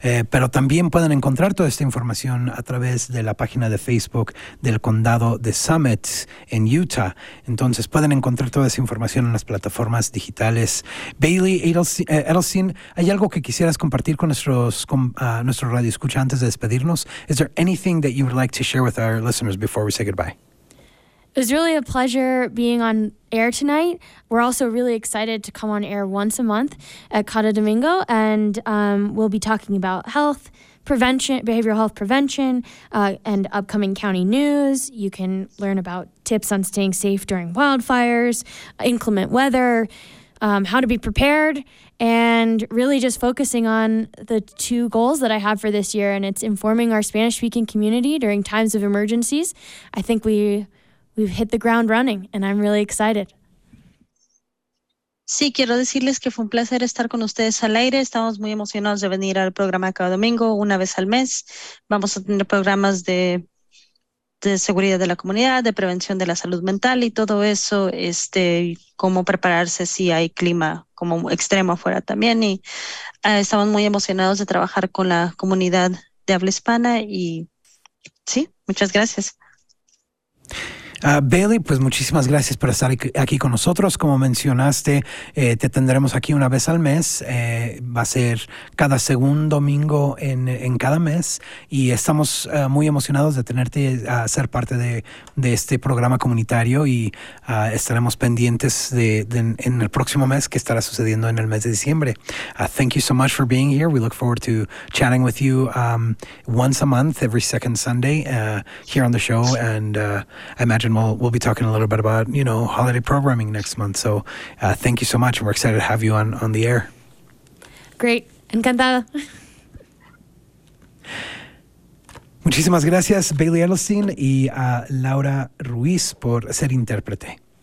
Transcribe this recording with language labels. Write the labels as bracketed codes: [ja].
[es] Pero también pueden encontrar toda esta información a través de la página de Facebook del condado de Summit en Utah. Entonces, pueden encontrar toda esa información en las plataformas digitales. Bailey Edelstein, ¿hay algo que quisieras compartir con nuestro radioescucha antes de despedir? [en] Is there anything that you would like to share with our listeners before we say goodbye? It was really a pleasure being on air tonight. We're also really excited to come on air once a month at Cada Domingo, and we'll be talking about health prevention, behavioral health prevention, and upcoming county news. You can learn about tips on staying safe during wildfires, inclement weather, how to be prepared, and really just focusing on the two goals that I have for this year, and it's informing our Spanish-speaking community during times of emergencies. I think we've hit the ground running, and I'm really excited. [es] Sí, quiero decirles que fue un placer estar con ustedes al aire. Estamos muy emocionados de venir al programa cada domingo, una vez al mes. Vamos a tener programas de seguridad de la comunidad, de prevención de la salud mental y todo eso, cómo prepararse si hay clima como extremo afuera también. Y estamos muy emocionados de trabajar con la comunidad de habla hispana y sí, muchas gracias. Bailey, pues muchísimas gracias por estar aquí con nosotros. Como mencionaste, te tendremos aquí una vez al mes. Va a ser cada segundo domingo en cada mes. Y estamos muy emocionados de tenerte a ser parte de este programa comunitario. Y estaremos pendientes de en el próximo mes que estará sucediendo en el mes de diciembre. [en] Thank you so much for being here. We look forward to chatting with you once a month, every second Sunday here on the show. And I imagine we'll be talking a little bit about, you know, holiday programming next month. So thank you so much. We're excited to have you on the air. Great. [es] Encantada. Muchísimas gracias, Bailey Edelstein y Laura Ruiz, por ser intérprete.